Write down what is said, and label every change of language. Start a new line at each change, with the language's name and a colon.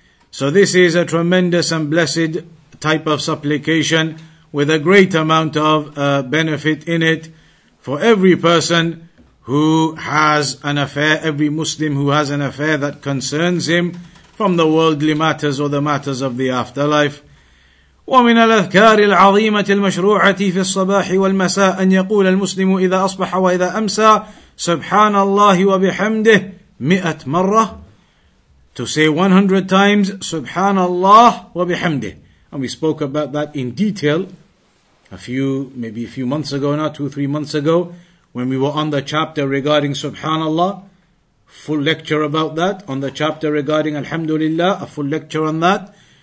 English: So this is a tremendous and blessed type of supplication with a great amount of benefit in it for every person who has an affair, every Muslim who has an affair that concerns him from the worldly matters or the matters of the afterlife.
Arabic: ومن الأذكار العظيمة المشروعة في الصباح والمساء أن يقول المسلم إذا أصبح وإذا أمسى سبحان الله وبحمده
English: 100 times. To say 100 times
Arabic: سبحان الله وبحمده.
English: And we spoke about that in detail a few months ago, when we were on the chapter regarding Subhanallah, full lecture about that, on the chapter regarding Alhamdulillah, a full lecture on that.